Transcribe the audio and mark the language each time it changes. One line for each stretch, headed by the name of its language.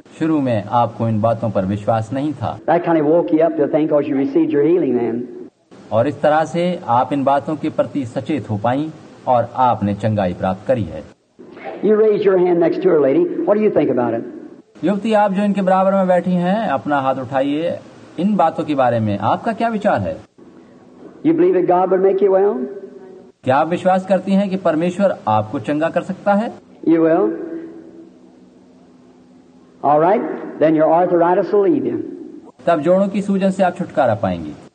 Hindi: शुरू में आपको इन बातों पर विश्वास नहीं था.
English: That kind of woke you up to think, oh, you received your healing then.
Hindi: और इस तरह से आप इन बातों के प्रति सचेत हो पाई और आपने चंगाई प्राप्त करी है.
English: You raise your hand next to her, lady. What do you think about it?
Hindi: युवती, आप जो इनके बराबर में बैठी हैं, अपना हाथ उठाइए. इन बातों के बारे में आपका क्या विचार है?
English: You believe that God would make you well?
Hindi: क्या आप विश्वास करती हैं कि परमेश्वर आपको चंगा कर सकता है?
English: You will. All right, then your arthritis will leave you.
Hindi: तब जोड़ों की सूजन से आप छुटकारा पाएंगी.